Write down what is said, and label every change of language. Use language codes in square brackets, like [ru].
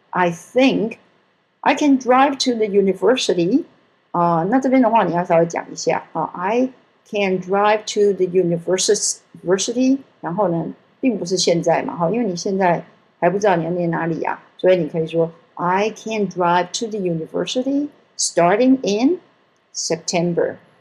[en] I think I can drive to the university. [zh] 那这边的话你要稍微讲一下。 [en] I can drive to the university. [zh] 然后呢并不是现在嘛，因为你现在还不知道你要念哪里啊。所以你可以说 [en] I can drive to the university starting in September.